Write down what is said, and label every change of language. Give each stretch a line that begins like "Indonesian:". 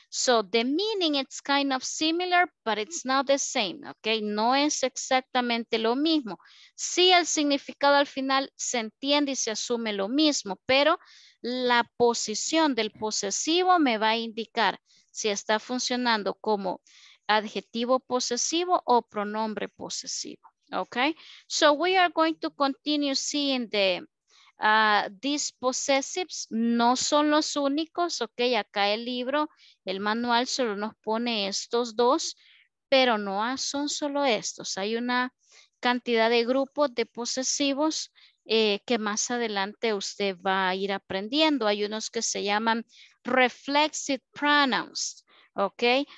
English: So the meaning it's kind of similar, but it's not the same, ¿ok?
Spanish: No es exactamente lo mismo. Sí, el significado al final se entiende y se asume lo mismo, pero la posición del posesivo me va a indicar si está funcionando como adjetivo posesivo o pronombre posesivo.
English: Okay, so we are going to continue seeing the these possessives.
Spanish: No son los únicos, okay. Acá el libro, el manual solo nos pone estos dos, pero no son solo estos. Hay una cantidad de grupos de posesivos que más adelante usted va a ir aprendiendo. Hay unos que se llaman reflexive pronouns, ¿ok?